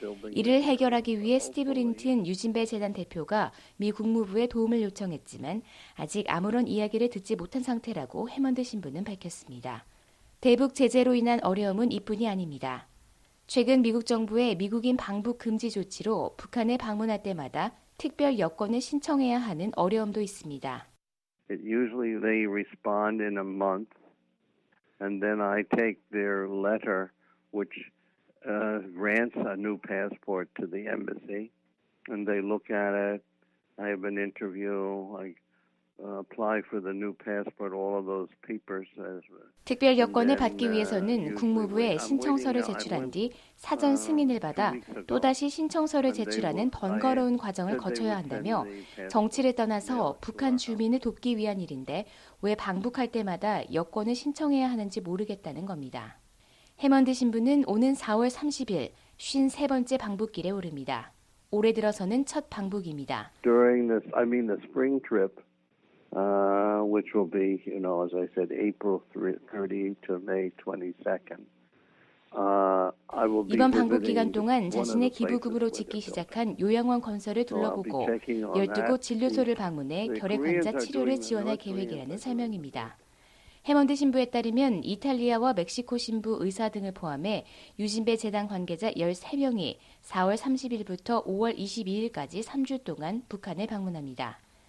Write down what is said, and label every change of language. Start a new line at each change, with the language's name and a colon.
Korean: 이를 해결하기 위해 스티브 린튼 유진배 재단 대표가 미 국무부에 도움을 요청했지만 아직 아무런 이야기를 듣지 못한 상태라고 해먼드 신부는 밝혔습니다. 대북 제재로 인한 어려움은 이뿐이 아닙니다. 최근 미국 정부의 미국인 방북 금지 조치로 북한에 방문할 때마다 특별 여권을 신청해야 하는 어려움도 있습니다.
English: It usually they respond in a month, and then I take their letter, which grants a new passport to the embassy, and they look at it. I have an interview. I apply for the new passport. All of those papers.
Korean: 특별 여권을 받기 위해서는 국무부에 신청서를 제출한 뒤 사전 승인을 받아 또다시 신청서를 제출하는 번거로운 과정을 거쳐야 한다며 정치를 떠나서 북한 주민을 돕기 위한 일인데 왜 방북할 때마다 여권을 신청해야 하는지 모르겠다는 겁니다. 해먼드 신부는 오는 4월 30일 53번째 방북길에 오릅니다. 올해 들어서는 첫 방북입니다.
English: During this, I mean the spring trip. Which will be, you know, as I said, April 30 to May 22nd.
Korean: 이번 방북 기간 동안 자신의 기부금으로 짓기 시작한 요양원 건설을 둘러보고 12곳 진료소를 방문해 결핵 환자 치료를 지원할 계획이라는 설명입니다. 해먼드 신부에 따르면 이탈리아와 멕시코 신부 의사 등을 포함해 유진배 재단 관계자 13명이 4월 30일부터 5월 22일까지 3주 동안 북한을 방문합니다.